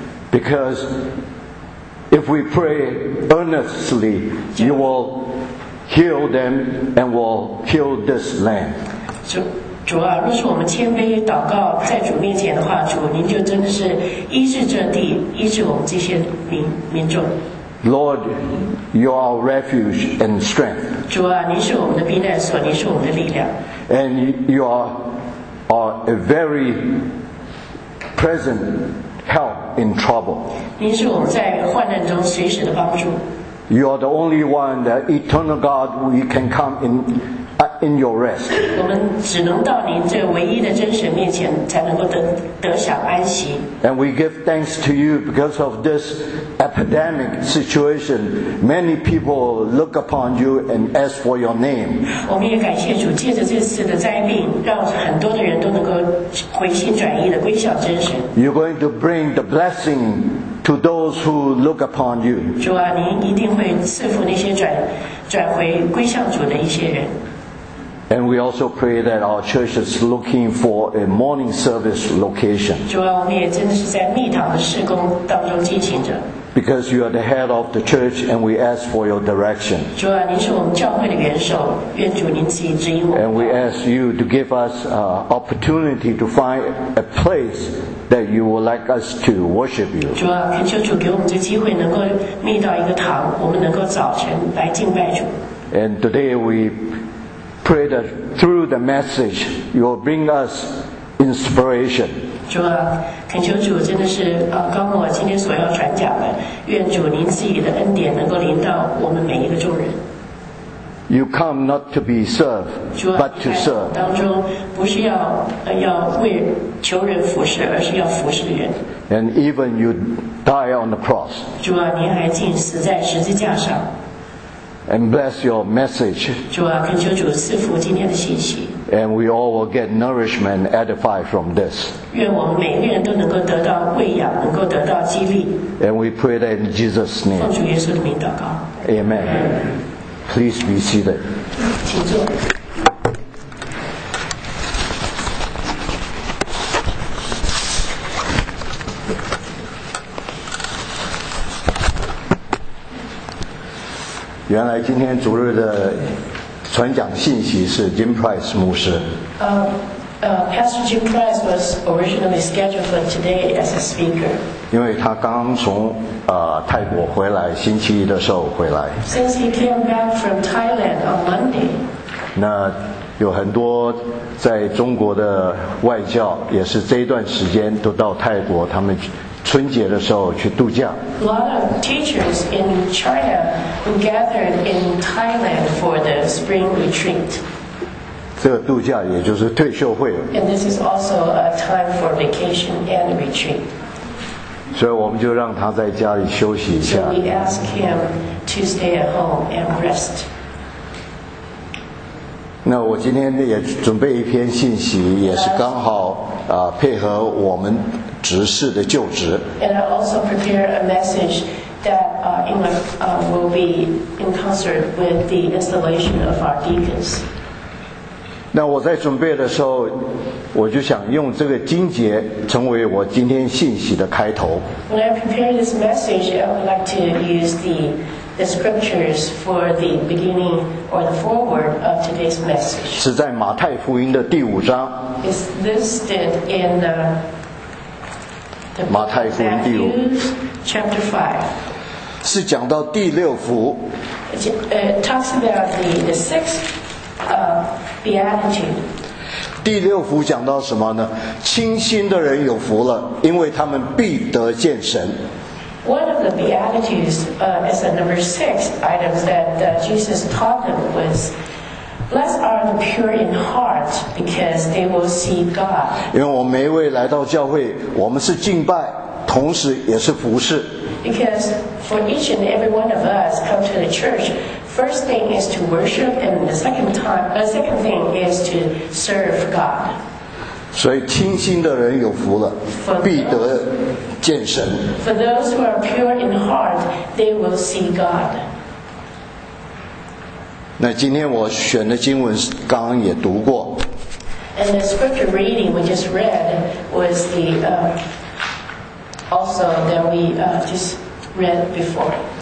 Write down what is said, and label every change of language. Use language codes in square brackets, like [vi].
[en] Because if we pray earnestly, you will heal them and will heal this land. [zh] 主啊，若是我们谦卑祷告在主面前的话，主您就真的是医治这地，医治我们这些民众。 [en] Lord, you are refuge and strength. [zh] 主啊，您是我们的避难所，您是我们的力量。 [en] And you are a very present help in trouble. [zh] 您是我们在患难中随时的帮助。 [en] You are the only one, the eternal God, we can come in your rest. [zh] 我们只能到您这唯一的真神面前，才能够得享安息。 [en] And we give thanks to you because of this epidemic situation. Many people look upon you and ask for your name. [zh] 我们也感谢主，借着这次的灾病，让很多的人都能够回心转意的归向真神。 [en] You're going to bring the blessing to those who look upon you. [zh] 主啊，您一定会赐福那些转回归向主的一些人。 [en] And we also pray that our church is looking for a morning service location. [zh] 主啊，我们也真的是在蜜堂的事工当中进行着。 [en] Because you are the head of the church, and we ask for your direction. [zh] 主啊，您是我们教会的元首，愿主您自己指引我。 [en] And we ask you to give us opportunity to find a place that you would like us to worship you. [zh] 主啊，恳求主给我们这机会，能够觅到一个堂，我们能够早晨来敬拜主。 [en] And today we pray that through the message you will bring us inspiration. [zh] 主啊，恳求主真的是刚我今天所要传讲的，愿主您自己的恩典能够临到我们每一个众人。 [en] You come not to be served, but to serve. [zh] 当中不是要为求人服侍，而是要服侍人。 [en] And even you die on the cross. [zh] 主啊，您还竟死在十字架上。 [en] And bless your message. [zh] 主啊，恳求主赐福今天的信息。 [en] And we all will get nourishment and edify from this. [zh] 愿我们每个人都能够得到喂养，能够得到激励。 [en] And we pray that in Jesus' name. [zh] 奉主耶稣的名祷告。 [en] Amen. Please be seated. [zh] 请坐。原来今天主日的传讲信息是 Jim Price 牧师。 [en] Pastor Jim Price was originally scheduled for today as a speaker. [zh] 因为他刚从泰国回来，星期一的时候回来。 [en] Since he came back from Thailand on Monday. [zh] 那有很多在中国的外教，也是这一段时间都到泰国，他们春节的时候去度假。 [en] A lot of teachers in China who gathered in Thailand for the spring retreat. [zh] 这个度假也就是退休会。 [en] And this is also a time for vacation and retreat. [zh] 所以我们就让他在家里休息一下。 [en] So we ask him to stay at home and rest. [zh] 那我今天也准备一篇信息，也是刚好配合我们执事的就职。 [en] And I also prepare a message that England will be in concert with the installation of our deacons. [zh] 那我在准备的时候，我就想用这个经节成为我今天信息的开头。 [en] When I prepare this message, I would like to use the scriptures for the beginning or the foreword of today's message. [zh] 是在马太福音的第五章。 [en] It's listed in the [zh] 马太福音第五 [en] chapter 5. [zh] 是讲到第六福。 [en] It talks about the sixth beatitude. [zh] 第六福讲到什么呢？清心的人有福了，因为他们必得见神。 [en] One of the Beatitudes is the number six item that Jesus taught them was, Blessed are the pure in heart, because they will see God. [zh] 因为我们每一位来到教会，我们是敬拜，同时也是服事。 [en] Because for each and every one of us come to the church, first thing is to worship, and the second thing is to serve God. [zh] 所以清心的人有福了，必得。见神。 [en] For those who are pure in heart, they will see God. [zh] 那今天我选的经文刚刚也读过。 [en] And the scripture reading we just read was the also that we just read before.